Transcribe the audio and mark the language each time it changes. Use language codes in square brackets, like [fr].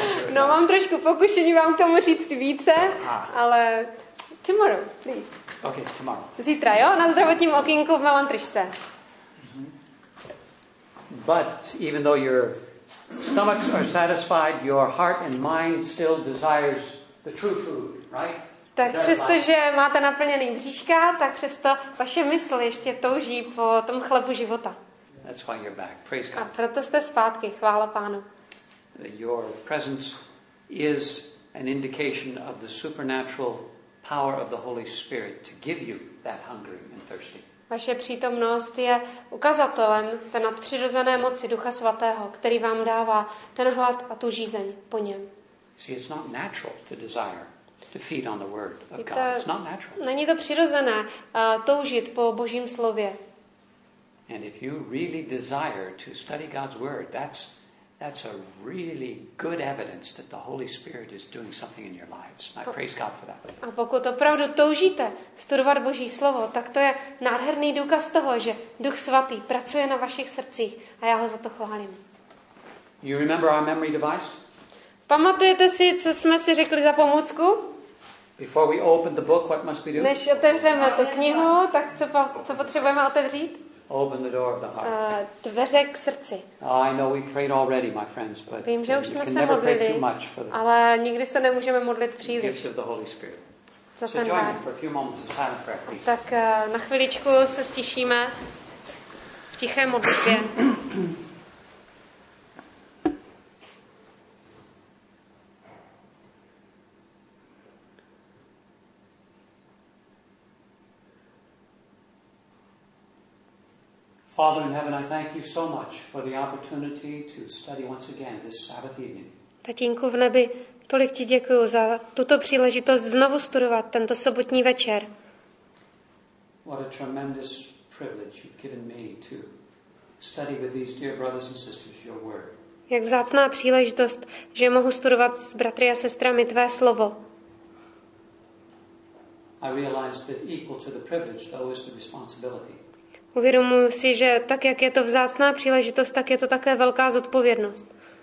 [cs] No, mám trošku pokušení vám k tomu říct více, ale [en] tomorrow, please. Okay, tomorrow. [cs] Zítra, jo? Na zdravotním okénku v Melantrišce. [en] But even though your stomachs are satisfied, your heart and mind still desires the true food, right? [cs] Tak přestože máte naplněný bříška, tak přesto vaše mysl ještě touží po tom chlebu života. [en] That's why you're back. Praise God. [cs] A proto jste zpátky, chvála Pánu. [en] Your presence is an indication of the supernatural power of the Holy Spirit to give you that hungry and thirsty. [cs] Vaše přítomnost je ukazatelem té nadpřirozené moci Ducha Svatého, který vám dává ten hlad a tu žízeň po něm. [en] See, it's not natural to desire to feed on the word of God. It's not natural. [cs] Není to přirozené toužit po Božím slově. [en] And if you really desire to study God's word, that's a really good evidence that the Holy Spirit is doing something in your lives. I praise God for that. [cs] A pokud opravdu toužíte studovat Boží slovo, tak to je nádherný důkaz toho, že Duch Svatý pracuje na vašich srdcích a já ho za to chválím. [en] You remember our memory device? [cs] Pamatujete si, co jsme si řekli za pomůcku? [en] Before we open the book, what must we do? [cs] Než otevřeme tu knihu, tak co potřebujeme otevřít? [en] Open the door of the heart. [cs] Dveře k srdci. [en] I know we prayed already, my friends, but [cs] vím, že už jsme se modlili, ale nikdy se nemůžeme modlit příliš. [en] Gift of the Holy Spirit. [cs] Za ten dar. [en] For a few moments of silent prayer, please. [cs] Tak na chviličku se stišíme v tiché modlitbě. [en] Father in heaven, I thank you so much for the opportunity to study once again this Sabbath evening. [cs] Tatínku v nebi, tolik ti děkuju za tuto příležitost znovu studovat tento sobotní večer. [en] What a tremendous privilege you've given me to study with these dear brothers and sisters your word. [cs] Jak vzácná příležitost, že mohu studovat s bratry a sestrami tvé slovo. [en] I realize that equal to the privilege, though, is the responsibility. [cs] Uvědomuji si, že tak, jak je to vzácná příležitost, tak je to také velká zodpovědnost.